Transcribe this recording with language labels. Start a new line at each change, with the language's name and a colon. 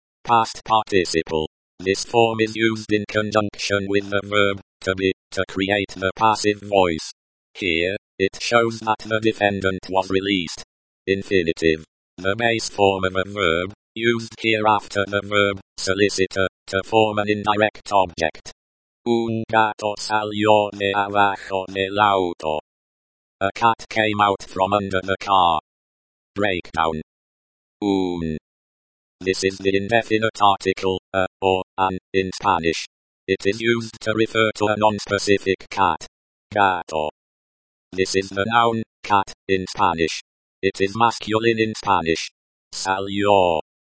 English: Past participle. This form is used in conjunction with the verb, to be, to create the passive voice. Here, it shows that the defendant was released. Infinitive. The base form of a verb, used here after the verb, solicitor, to form an indirect object.
Spanish: Un gato salió de abajo del auto.
English: A cat came out from under the car. Breakdown. Un. This is the indefinite article, a, or, an, in Spanish. It is used to refer to a non-specific cat. Gato. This is the noun, cat, in Spanish. It is masculine in Spanish. Salió.